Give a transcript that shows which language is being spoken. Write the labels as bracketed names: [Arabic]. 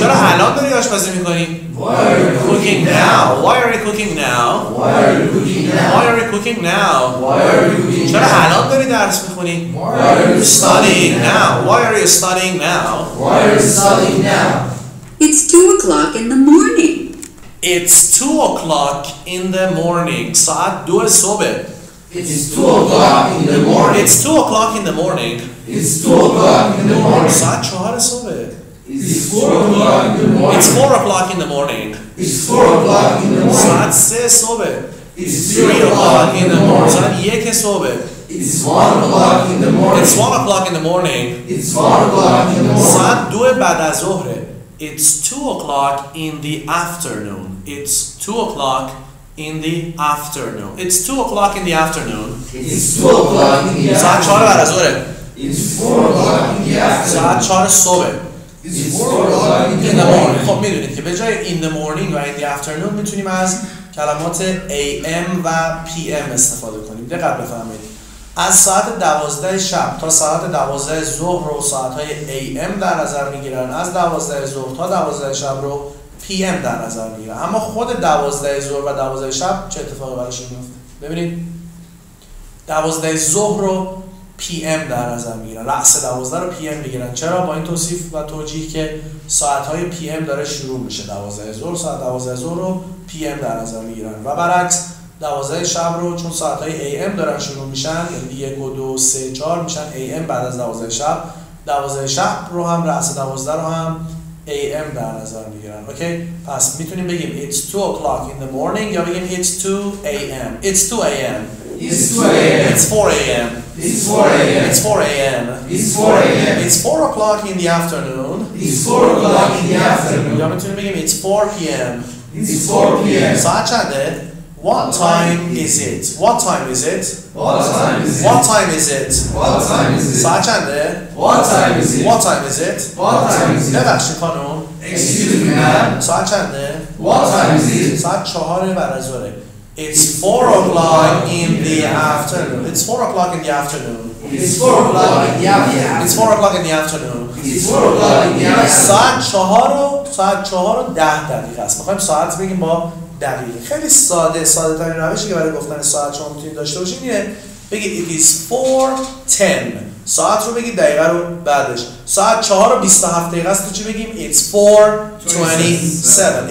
[Persian] چرا الان داری آشپزی میکنی؟ [English] Why are you cooking now? Why are you cooking now? Why are you cooking now? Why are you cooking now? Why are you cooking now? [Persian] چرا الان داری درس میخونی؟ [English] Why are you studying now? Why are you studying now? Why are you studying now? It's 2 o'clock in the morning. It's 2 o'clock in the morning. [Persian] ساعت دو صبح. [English] It's 2 o'clock in the morning. It's 2 o'clock in the morning. It's 2 o'clock in the morning. [Persian] ساعت چهار صبح. [English] It's 4 o'clock in the morning. It's 4 o'clock in the morning. It's 4 o'clock in the morning. [Persian] ساعت سه صبح. [English] It's 3 o'clock in the morning. [Persian] ساعت یک صبح. [English] It's 1 o'clock in the morning. It's 1 o'clock in the morning. It's 1 o'clock in the morning. [Persian] ساعت دو بعد از ظهر. [English] It's 2 o'clock in the afternoon. It's 2 o'clock in the afternoon. It's 2 o'clock in the afternoon. It's 2 o'clock in the afternoon. [Persian] ساعت چهار بعد از ظهر. [English] It's 4 o'clock in the afternoon. [Persian] ساعت چهار صبح. [English] It's 4 o'clock in the morning. [Persian] خب میدونید که به جای in the morning و in the afternoon میتونیم از کلمات AM و PM استفاده کنیم. دقت بفهمید. از ساعت 12 شب تا ساعت 12 ظهر رو ساعت‌های AM در نظر می‌گیرن، از 12 ظهر تا 12 شب رو PM در نظر می‌گیرن. اما خود 12 ظهر و 12 شب چه اتفاقی براش می‌افته؟ ببینید 12 ظهر رو PM در نظر می‌گیرن، رأس 12 رو PM می‌گیرن. چرا؟ با این توصیف و توجیه که ساعت‌های PM داره شروع میشه. 12 ظهر ساعت 12 ظهر رو PM در نظر می‌گیرن و برعکس 12 شب رو چون ساعت‌های AM دارن شروع میشن، یعنی 1 و 2 و 3 4 میشن AM بعد از 12 شب، 12 شب رو هم رأس 12 رو هم AM در نظر میگیرن. اوکی، پس میتونیم بگیم [English] it's 2 o'clock in the morning [Persian] یا بگیم [English] it's 2 AM. It's 2 AM. It's 2 AM. It's 4 AM. It's 4 AM. It's 4 AM. It's 4 AM. It's 4 o'clock in the afternoon. It's 4 o'clock in the afternoon. [Persian] یا میتونیم بگیم [English] it's 4 PM. It's 4 PM. [Persian] ساعت چنده؟ [English] What time is it? What time is it? What time is it? What time is it? [Persian] ساعت چنده؟ [English] What time is it? What time is it? What time is it? [Persian] ببخشید خانم. [English] Excuse me, ma'am. [Persian] ساعت چنده؟ [English] What time is it? [Persian] ساعت چهار بعد از ظهر. [English] It's 4 o'clock in the afternoon. It's 4 o'clock in the afternoon. It's 4 o'clock in the afternoon. It's 4 o'clock in the afternoon. It's 4 o'clock in the afternoon. [Persian] ساعت چهار و ده دقیقه است. میخوایم ساعت بگیم با دقیقه. خیلی ساده ترین روشی که برای گفتن ساعت شما میتونید داشته باشید اینه بگید [English] it is 4:10. [Persian] ساعت رو بگید، دقیقه رو بعدش. ساعت 4:27 دقیقه است، چی بگیم؟ [English] it's 4:27.